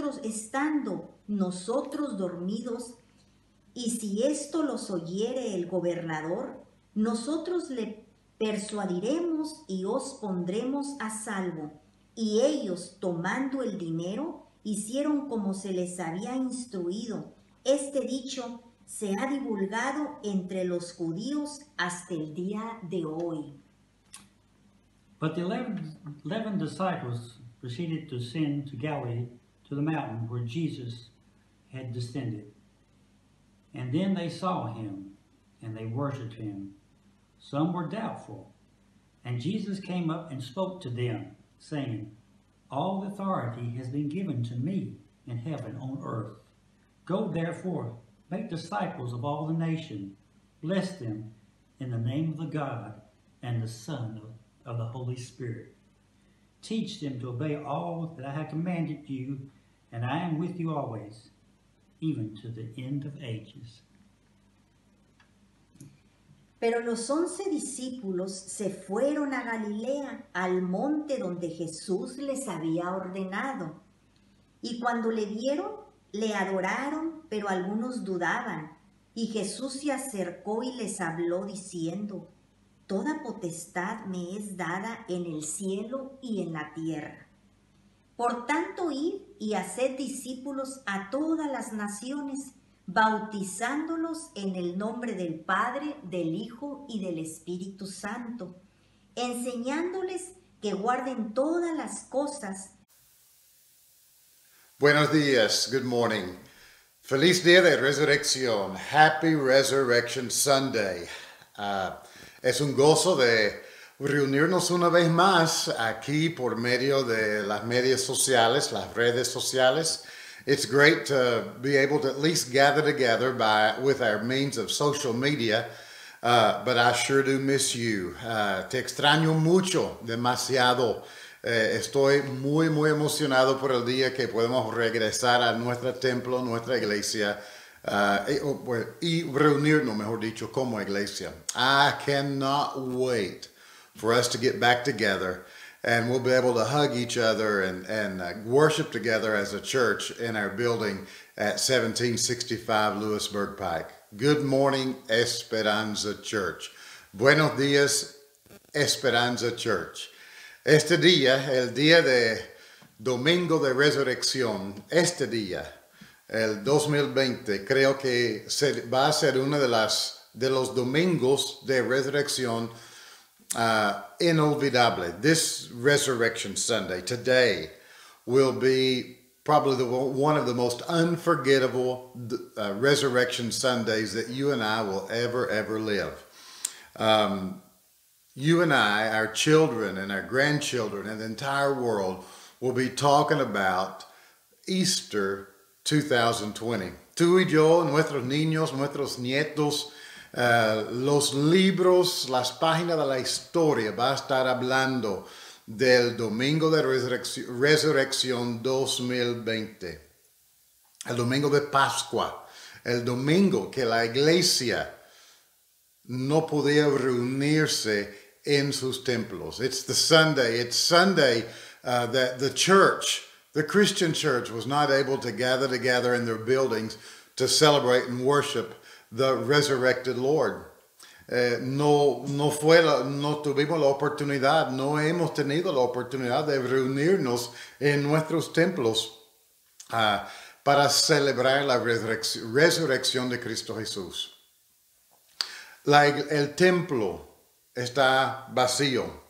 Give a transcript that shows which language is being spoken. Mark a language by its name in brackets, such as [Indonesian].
[Spanish] Estando nosotros dormidos, y si esto los oyere el gobernador, Nosotros le persuadiremos y os pondremos a salvo. Y ellos, tomando el dinero, hicieron como se les había instruido. Este dicho se ha divulgado entre los judíos hasta el día de hoy. [English] But the 11 disciples proceeded to ascend to Galilee, to the mountain where Jesus had descended. And then they saw him, and they worshipped him. Some were doubtful, and Jesus came up and spoke to them, saying, All authority has been given to me in heaven on earth. Go therefore, make disciples of all the nations, bless them in the name of the God and the Son of the Holy Spirit. Teach them to obey all that I have commanded you, and I am with you always, even to the end of ages. [Spanish] Pero los 11 discípulos se fueron a Galilea, al monte donde Jesús les había ordenado. Y cuando le vieron, le adoraron, pero algunos dudaban. Y Jesús se acercó y les habló diciendo, Toda potestad me es dada en el cielo y en la tierra. Por tanto, id y haced discípulos a todas las naciones, bautizándolos en el nombre del Padre, del Hijo y del Espíritu Santo, enseñándoles que guarden todas las cosas. Buenos días, [English] good morning. [Spanish] Feliz Día de Resurrección. [English] Happy Resurrection Sunday. [Spanish] Es un gozo de reunirnos una vez más aquí por medio de las medias sociales, las redes sociales. [English] It's great to be able to at least gather together with our means of social media, but I sure do miss you. [Spanish] Te extraño mucho, demasiado. Estoy muy, muy emocionado por el día que podemos regresar a nuestro templo, nuestra iglesia, y reunirnos, mejor dicho, como iglesia. [English] I cannot wait for us to get back together, and we'll be able to hug each other and worship together as a church in our building at 1765 Lewisburg Pike. Good morning, Esperanza Church. [Spanish] Buenos días, [English] Esperanza Church. [Spanish] Este día, el día de Domingo de Resurrección, este día, el 2020, creo que va a ser uno de los domingos de resurrección inolvidable. [English] This Resurrection Sunday, today, will be probably one of the most unforgettable Resurrection Sundays that you and I will ever, ever live. You and I, our children and our grandchildren and the entire world will be talking about Easter 2020. [Spanish] Tú y yo, nuestros niños, nuestros nietos, los libros, las páginas de la historia va a estar hablando del Domingo de Resurrección 2020. El Domingo de Pascua. El Domingo que la iglesia no podía reunirse en sus templos. [English] It's the Sunday. It's Sunday that the church, the Christian church, was not able to gather together in their buildings to celebrate and worship the resurrected Lord. [Spanish] No tuvimos la oportunidad, no hemos tenido la oportunidad de reunirnos en nuestros templos para celebrar la resurrección de Cristo Jesús. El templo está vacío.